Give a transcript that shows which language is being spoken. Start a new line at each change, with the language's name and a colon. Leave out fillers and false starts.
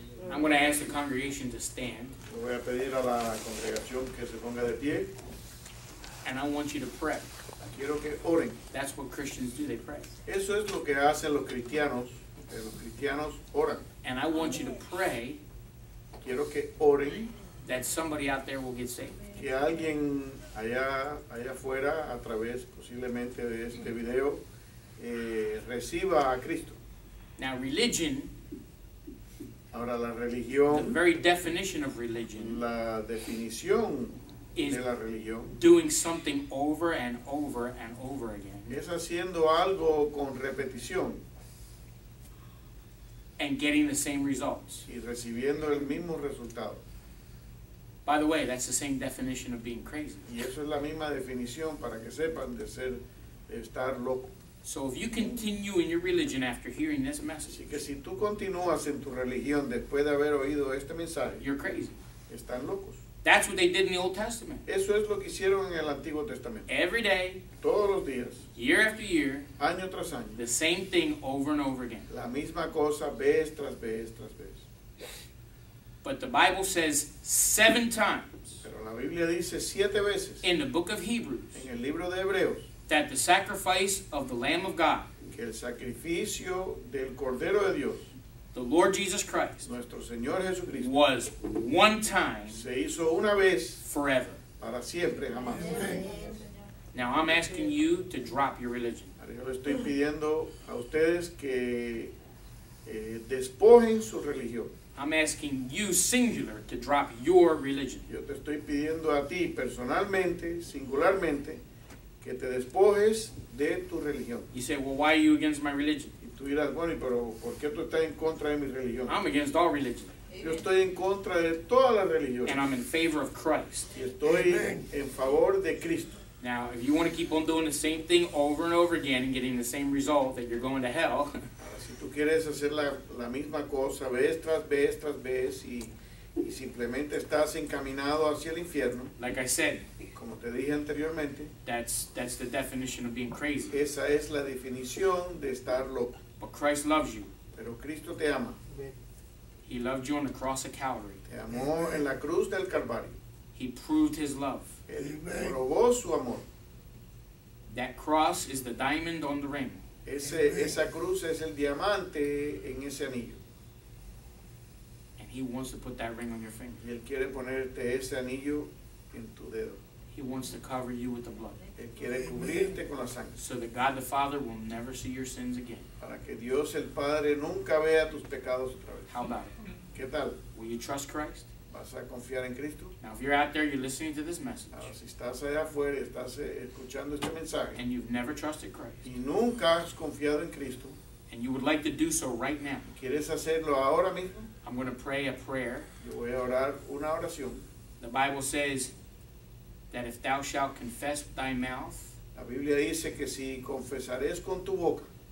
English: I'm going to ask the congregation to stand.
Spanish: Voy a pedir a la congregación que se ponga de pie.
English: And I want you to pray.
Spanish: Quiero que oren.
English: That's what Christians do, they pray.
Spanish: Eso es lo que hacen los cristianos. Los cristianos oran.
English: And I want you to pray.
Spanish: Quiero que oren.
English: That somebody out there will get saved.
Spanish: Que alguien allá afuera, a través posiblemente de este video, reciba a Cristo.
English: Now religion,
Spanish: ahora la religión,
English: the very definition of religion,
Spanish: la definición
English: is
Spanish: de la religión,
English: doing something over and over and over again,
Spanish: es haciendo algo con repetición,
English: and getting the same results,
Spanish: y recibiendo el mismo resultado.
English: By the way, that's the same definition of being crazy.
Spanish: Y eso es la misma definición, para que sepan, de ser, de estar loco.
English: So if you continue in your religion after hearing this message,
Spanish: que si tú continúas en tu religión después de haber oído este mensaje,
English: you're crazy.
Spanish: Están locos.
English: That's what they did in the Old Testament.
Spanish: Eso es lo que hicieron en el Antiguo Testamento.
English: Every day,
Spanish: todos los días,
English: year after year,
Spanish: año tras año,
English: the same thing over and over again.
Spanish: La misma cosa vez tras vez tras vez.
English: But the Bible says 7 times.
Spanish: Pero la Biblia dice 7 veces.
English: In the book of Hebrews.
Spanish: En el libro de Hebreos.
English: That the sacrifice of the Lamb of God,
Spanish: que el sacrificio del Cordero de Dios,
English: the Lord Jesus Christ,
Spanish: nuestro Señor Jesucristo,
English: was one time,
Spanish: se hizo una vez,
English: forever,
Spanish: para siempre, jamás.
English: Now I'm asking you to drop your religion.
Spanish: Yo le estoy pidiendo a ustedes que despojen su religión.
English: I'm asking you singular to drop your religion.
Spanish: Yo te estoy pidiendo a ti personalmente, singularmente, que te despojes de tu religión.
English: You say, well, why are you against my religion?
Spanish: Y tú dirás, bueno, pero ¿por qué tú estás en contra de mi religión?
English: I'm against all religion.
Spanish: Yo estoy en contra de todas las religiones.
English: And I'm in favor of Christ.
Spanish: Y estoy en favor de Cristo.
English: Now, if you want to keep on doing the same thing over and over again and getting the same result, that you're going to hell.
Spanish: Si tú quieres hacer la misma cosa vez tras vez tras vez y simplemente estás encaminado hacia el infierno.
English: Like I said,
Spanish: como te dije anteriormente,
English: that's the definition of being crazy.
Spanish: Esa es la definición de estar loco.
English: But Christ loves you.
Spanish: Pero Cristo te ama.
English: He loved you on the cross of Calvary.
Spanish: Te amó en la cruz del Calvario.
English: He proved his love.
Spanish: Él probó su amor.
English: That cross is the diamond on the ring.
Spanish: Esa cruz es el diamante en ese anillo.
English: He wants to put that ring on your finger.
Spanish: Él quiere ponerte ese anillo en tu dedo.
English: He wants to cover you with the blood.
Spanish: Él quiere cubrirte con la sangre.
English: So that God the Father will never see your sins again.
Spanish: Para que Dios el Padre nunca vea tus pecados otra vez.
English: How about it?
Spanish: ¿Qué tal?
English: Will you trust Christ?
Spanish: ¿Vas a confiar en Cristo?
English: Now if you're out there, you're listening to this message.
Spanish: Ahora, si estás allá afuera, estás escuchando este mensaje.
English: And you've never trusted Christ.
Spanish: Y nunca has confiado en Cristo.
English: And you would like to do so right now.
Spanish: ¿Quieres hacerlo ahora mismo?
English: I'm going to pray a prayer.
Spanish: Yo voy a orar una oración.
English: The Bible says that if thou shalt confess with thy mouth,
Spanish: la Biblia dice que si confesares con tu boca,